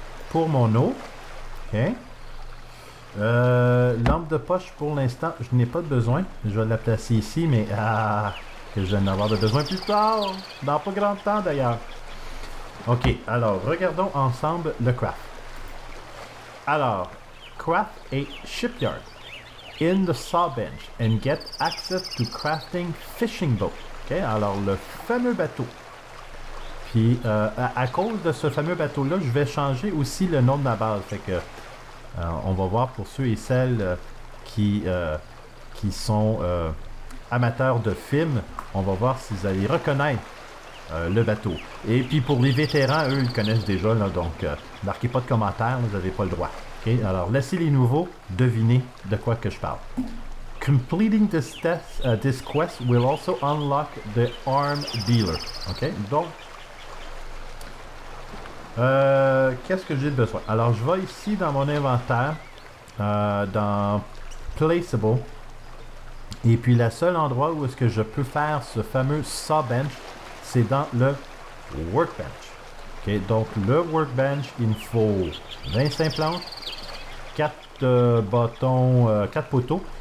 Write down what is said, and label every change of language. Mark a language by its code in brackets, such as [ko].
[fr] Pour mon eau. OK. Lampe de poche, pour l'instant, je n'ai pas de besoin. Je vais la placer ici, mais que je vais en avoir de besoin plus tard. Dans pas grand temps, d'ailleurs. OK, alors regardons ensemble le craft. [en] Alors, craft a shipyard in the sawbench and get access to crafting fishing boat. [fr] OK, alors le fameux bateau. Puis à cause de ce fameux bateau-là, je vais changer aussi le nom de ma base. Fait que on va voir pour ceux et celles qui sont amateurs de films, on va voir si vous allez reconnaître le bateau. Et puis pour les vétérans, eux, ils connaissent déjà, là, donc marquez pas de commentaires, vous n'avez pas le droit. Okay? Alors laissez les nouveaux deviner de quoi que je parle. [en] Completing this test, this quest will also unlock the arm dealer. [fr] OK? Donc, qu'est-ce que j'ai besoin? Alors, je vais ici dans mon inventaire, dans Placeable. Et puis, le seul endroit où est-ce que je peux faire ce fameux sawbench, c'est dans le workbench. OK? Donc, le workbench, il me faut 25 planches, 4 bâtons, 4 poteaux.